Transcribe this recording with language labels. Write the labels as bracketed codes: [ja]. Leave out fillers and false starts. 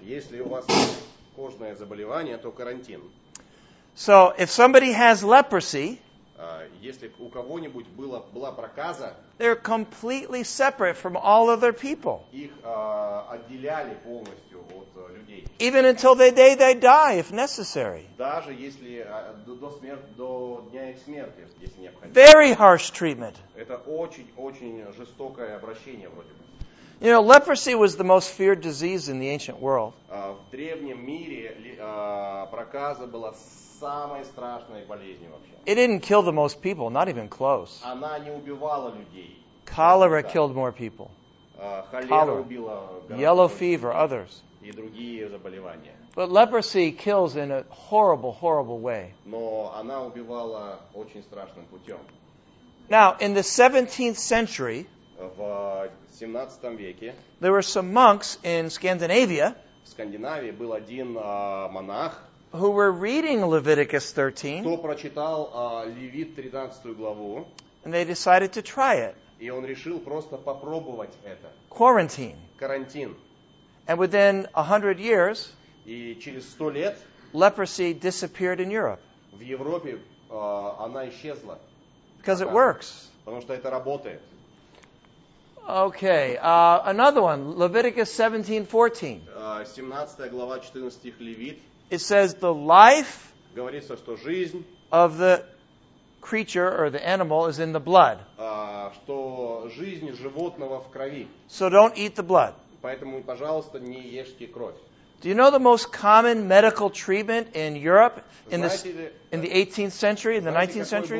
[ru] Если у вас кожное заболевание, то карантин. [en] So, if somebody has leprosy, [ru] если у кого-нибудь была проказа, [en] they're completely separate from all other people. [ru] Их отделяли полностью от людей. [en] Even until the day they die, if necessary. [ru] Даже если до дня их смерти, если необходимо. [en] Very harsh treatment. [ru] Это очень-очень жестокое обращение вроде бы. [en] You know, leprosy was the most feared disease in the ancient world. [ru] В древнем мире проказа была самой страшной болезнью вообще. [en] It didn't kill the most people, not even close. [ru] Она не убивала людей. [en] Cholera killed more people. [ru] Холера убила. [en] Yellow fever, others. [ru] И другие заболевания. [en] But leprosy kills in a horrible, horrible way. [ru] Но она убивала очень страшным путем. [en] Now, in the 17th century, [ru] в 17 веке, [en] there were some monks in Scandinavia, [ru] в Скандинавии был один монах, [en] who were reading Leviticus 13, [ru] кто прочитал Левит 13 главу, [en] and they decided to try it. [ru] И он решил просто попробовать это. [en] Quarantine. [ru] Карантин. [en] And within 100 years, [ru] и через 100 лет, [en] leprosy disappeared in Europe. [ru] В Европе она исчезла. [en] Because it works. [ru] Потому что это работает. [en] Okay, another one, Leviticus 17:14. [ru] 17 глава, 14 стих, Левит. [en] It says the life [ru] говорится, что жизнь [en] of the creature or the animal is in the blood. [ru] Что жизнь животного в крови. [en] So don't eat the blood. [ru] Поэтому, пожалуйста, не ешьте кровь. [en] Do you know the most common medical treatment in Europe in the 18th century, in the 19th century?